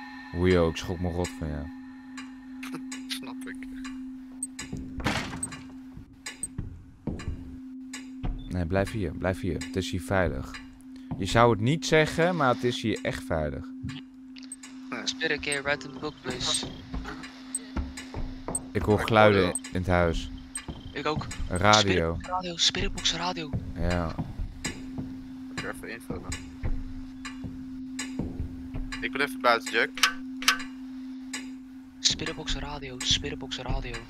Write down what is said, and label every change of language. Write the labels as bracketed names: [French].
[Dutch] Hoe je ook, schrok me rot van jou. Snap ik. Nee, blijf hier. Blijf hier. Het is hier veilig. Je zou het niet zeggen, maar het is hier echt veilig. [English] Spirit, can you write in the book, please? [Dutch] Ik hoor geluiden in het huis. Ik ook. Radio. [English] Spirit, radio, spiritbox radio. [Dutch] Ja. Ik ga even invullen. Ik wil even buiten, Jack. [English] Spiritbox radio, spiritbox radio.